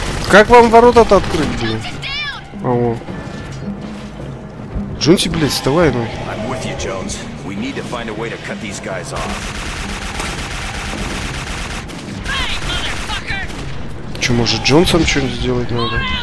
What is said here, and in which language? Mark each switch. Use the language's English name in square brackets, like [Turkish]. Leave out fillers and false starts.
[Russian] Как вам ворота-то открыть, блин? Ого. Джонси, блядь, вставай, ну. [English] I'm with you, Jones. We need to find a way to cut these guys off. Hey, motherfucker! [Russian] Че, может, Джонсом что-нибудь сделать надо?